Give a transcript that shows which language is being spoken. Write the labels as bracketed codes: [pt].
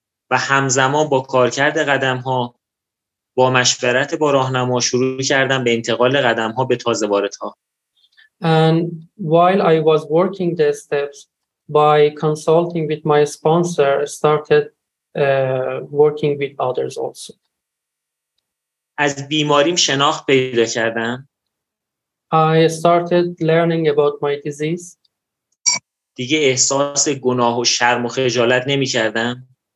[fa] و همزمان با کارکرد قدم‌ها با مشورت با راهنما شروع کردم به انتقال قدم‌ها به تازه واردها. [en] And while I was working the steps, by consulting with my sponsor, started working with others also. [fa] از بیماریم شناخت پیدا کردم. [en] I started learning about my disease. [fa] دیگه احساس گناه و شرم و خجالت نمی کردم.